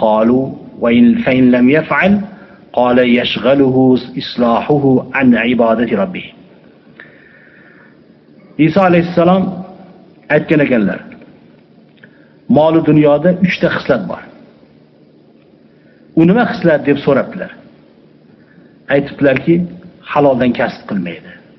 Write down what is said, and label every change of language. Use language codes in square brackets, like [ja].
[ar] Qalu wa in fa in lam yaf'al? قال يشغله إصلاحه عن عبادة ربه. [uz] إيسا عليه السلام aytgan ekanlar, mol-u dunyoda 3 ta xislat bor. U nima xislat deb so'rabdilar. Aytibdilarki, haloldan kasb qilmaydi.